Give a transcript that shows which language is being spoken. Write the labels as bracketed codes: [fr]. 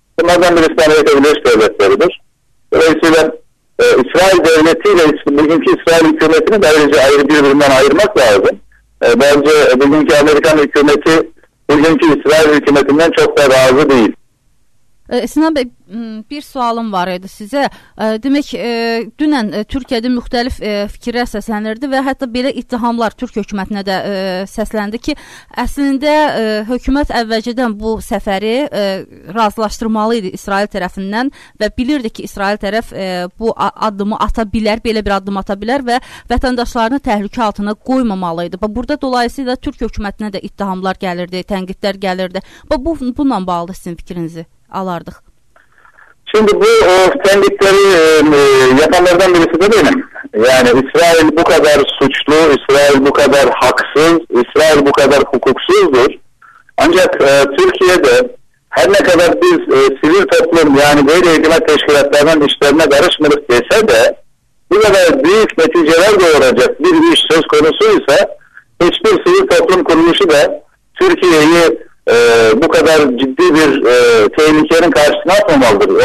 [tr] Bunlardan bir İsrail'e birleşik devletleridir. Dolayısıyla İsrail devletiyle bugünkü İsrail hükümetini de ayrıca birbirinden ayırmak lazım. Bence bugünkü Amerikan hükümeti bugünkü İsrail hükümetinden çok da razı değil. [az] Sinan Bey, bir sualım var idi sizə. Demək, dünən Türkiyədə müxtəlif fikirlər səslənirdi və hətta belə ittihamlar Türk hökumətinə də səsləndi ki, əslində hökumət əvvəlcədən bu səfəri razılaşdırmalı idi İsrail tərəfindən və bilirdi ki, İsrail tərəf bu addımı ata bilər, belə bir addım ata bilər və vətəndaşlarını təhlükə altına qoymamalı idi. Burada dolayısıyla Türk hökumətinə də ittihamlar gəlirdi, tənqidlər gəlirdi. Bu, bununla bağlı sizin fikrinizi alardıq. [tr] Şimdi bu tenditleri yapanlardan birisi de benim. Yani İsrail bu kadar suçlu, İsrail bu kadar haksız, İsrail bu kadar hukuksuzdur. Ancak Türkiye'de her ne kadar biz sivil toplum, yani böyle hükümet teşkilatlarının işlerine karışmırız dese de bu kadar büyük neticeler doğuracak bir iş söz konusuysa hiçbir sivil toplum kuruluşu da Türkiye'yi bu kadar ciddi bir tehlikenin karşısına atmamalıdır.